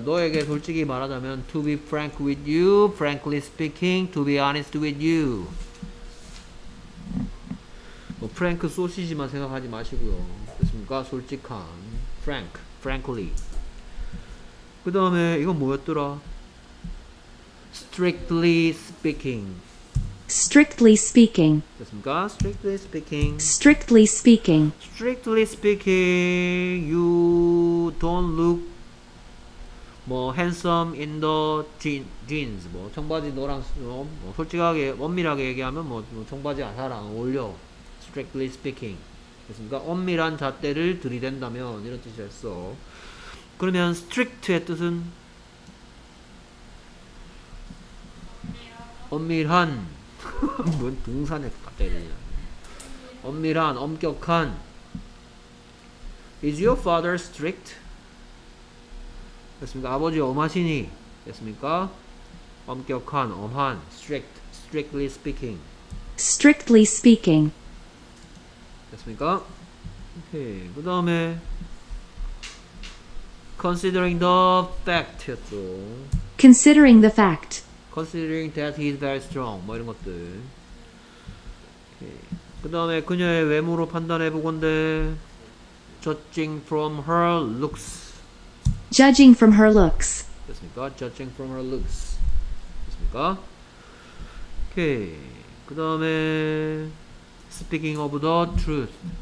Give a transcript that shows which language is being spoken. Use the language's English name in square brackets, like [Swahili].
[Korean] 너에게 솔직히 말하자면 [English] To be frank with you, frankly speaking, to be honest with you. [Korean] 뭐 프랭크 소시지만 생각하지 마시고요. 됐습니까? 솔직한. Frank, frankly. 그 다음에 이건 뭐였더라? [English] Strictly speaking. Strictly speaking. [Korean] 됐습니까? [English] Strictly speaking. Strictly speaking. Strictly speaking, you don't look more handsome in the jeans. [Korean] 뭐 청바지 너랑 뭐 솔직하게 엄밀하게 얘기하면 뭐 청바지 안사랑 어울려. [English] Strictly speaking. [Korean] 됐습니까? 엄밀한 잣대를 들이댄다면 이런 뜻이었어. 그러면 strict의 뜻은 엄밀한. 뭔 등산에 갔다 엄밀한, 엄격한. [English] Is your father strict? [Korean] 됐습니까? 아버지 엄하시니? 됐습니까? 엄격한, 엄한. [English] Strict, strictly speaking. Strictly speaking. [Korean] 됐습니까? 오케이. 그 다음에 [English] Considering the fact [Korean] 였죠. [English] Considering the fact. Considering that he is very strong, [Korean] 뭐 이런 것들. 오케이. 그 다음에 그녀의 외모로 판단해보건대. [English] Judging from her looks. Judging from her looks. [Korean] 됐습니까? [English] Judging from her looks. [Korean] 됐습니까? 오케이. 그 다음에 [English] Speaking of the truth.